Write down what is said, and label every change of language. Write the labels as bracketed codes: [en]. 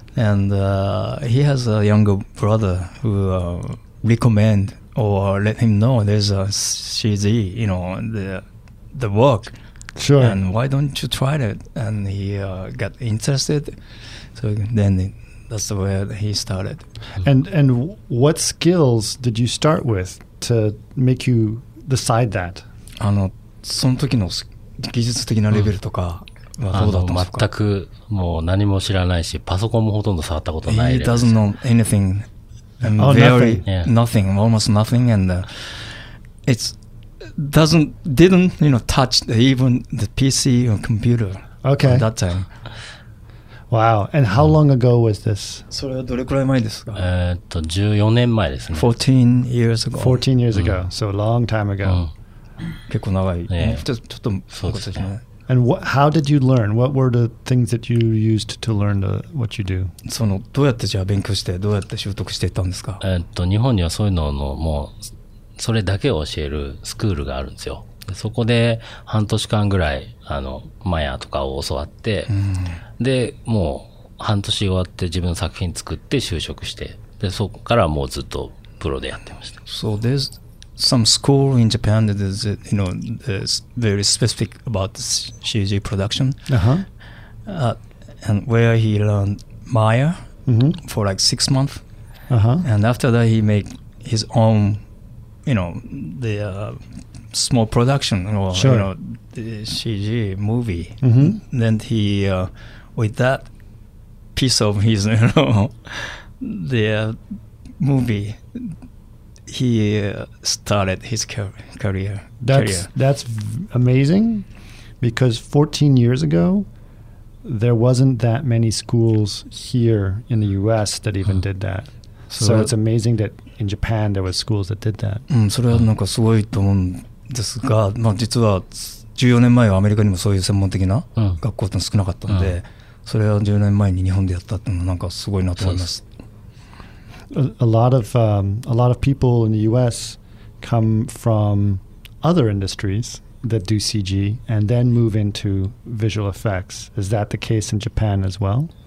[en] And he has a younger brother who recommend or let him know there's a CG, the work. Sure. And why don't you try it? And he got interested. So then that's the way he started. And what skills did you start with to make you decide that? [ja] その時の技術的なレベルとかはどうだったんですか？全くもう何も知らないし、パソコンもほとんど触ったことないです。 [en] He doesn't know anything. Nothing. Yeah. Almost nothing. And didn't touch even the PC or computer okay. at that time. Wow. And how long ago was this? [ja] それはどれくらい前ですか? 14年前ですね。 [en] 14 years ago. 14 years ago. So a long time ago. [ja] 結構長い。ちょっと、そうですね。 [en] And how did you learn? What were the things that you used to learn what you do? [ja] その、どうやってじゃあ勉強して、どうやって習得していったんですか? 日本にはそういうのの、もう、それだけを教えるスクールがあるんですよ。そこで半年間ぐらいあのマヤとかを教わって、でもう半年終わって自分の作品作って就職して、でそこからもうずっとプロでやってました。 [en] So there's some school in Japan that is, you know, is very specific about CG production、and where he learned Maya、for like 6 months、and after that he make his own, you know, the、small production or you know, the CG movie. Then he, with that piece of his, you know, the movie, he started his career. That's amazing, because 14 years ago, there wasn't that many schools here in the U.S. that even did that. So it's amazing that in Japan there were schools that did that. [ja] それはなんかすごいと思うんですが、まあ、実は14年前はアメリカにもそういう専門的な学校って少なかったので、それは10年前に日本でやったっていうのはなんかすごいなと思います。 [en] A lot of people in the U.S. come from other industries that do CG and then move into visual effects. Is that the case in Japan as well?